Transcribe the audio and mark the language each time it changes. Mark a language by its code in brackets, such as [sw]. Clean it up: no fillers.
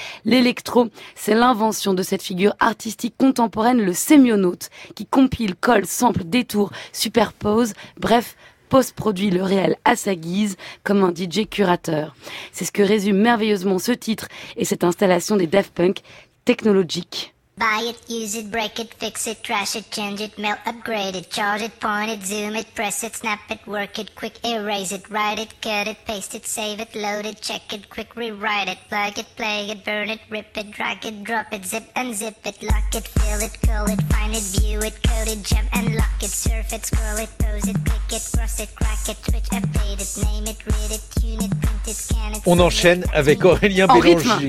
[fr] L'électro, c'est l'invention de cette figure artistique contemporaine, le sémionaute, qui compile, colle, sample, détour, superpose, bref, post-produit le réel à sa guise, comme un DJ curateur. C'est ce que résume merveilleusement ce titre et cette installation des Daft Punk technologiques. [en] Buy it, use it, break it, fix it, trash it, change it, melt, upgrade it, charge it, point it, zoom it, press it, snap it, work it, quick, erase it, write it, cut it, paste it, save it, load it, check it, quick, rewrite it, plug it, play it, burn it, rip it, drag it, drop it, zip, unzip it, lock it, fill it, curl it, find it, view it, code it, jump and lock it, surf it, scroll it, pose it, click it, cross it, crack it, switch, update it, name it, read it, tune it, print it, scan it. [fr] On enchaîne avec Aurélien Bélanger.